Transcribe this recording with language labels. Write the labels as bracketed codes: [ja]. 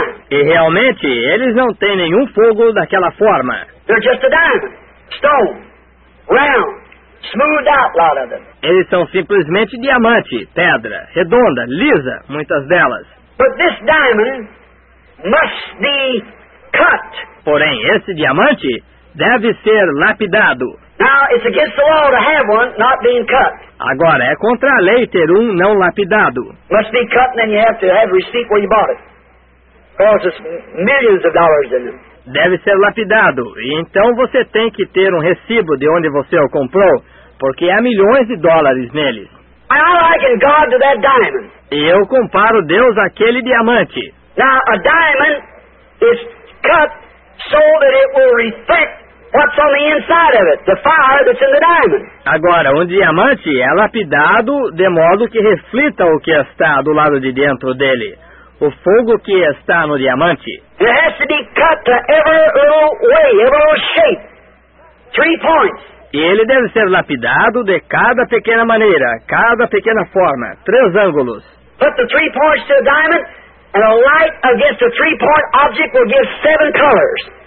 [pt] E realmente, eles não têm nenhum fogo daquela forma. [en] They're just a diamond, stone, round. Smoothed out, lot of them. [pt] Eles são simplesmente diamante, pedra, redonda, lisa, muitas delas. [en] But this diamond must be cut. [pt] Porém, esse diamante deve ser lapidado. [en] Now, it's against the law to have one not being cut. [pt] Agora, é contra a lei ter um não lapidado. [en] Must be cut, and then you have to have receipt where you bought it. Costs us millions of dollars in it. [pt] Deve ser lapidado, e então você tem que ter um recibo de onde você o comprou, porque há milhões de dólares neles. [en] I liken God to that diamond. [pt] E eu comparo Deus àquele diamante. [en] Now, a diamond is cut so that it will reflect what's on the inside of it, the fire that's in the diamond. [pt] Agora, um diamante é lapidado de modo que reflita o que está do lado de dentro dele. O fogo que está no diamante. [en] It has to be cut to every little way, every little shape. Three points. [pt] E ele deve ser lapidado de cada pequena maneira, cada pequena forma, três ângulos. [en] Put the three points to the diamond, and a light against a three-point object will give seven colors.